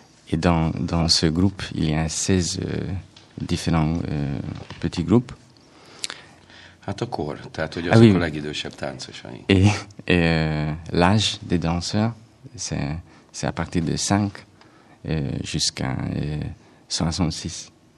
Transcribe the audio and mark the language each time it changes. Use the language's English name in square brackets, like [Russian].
[French] Et dans ce groupe, il y a 16 différents petits groupes. [Hungarian] Hát akkor, tehát hogy azok a legidősebb táncosaink. [French] Et l'âge des danseurs, c'est à partir de 5 jusqu'à 66.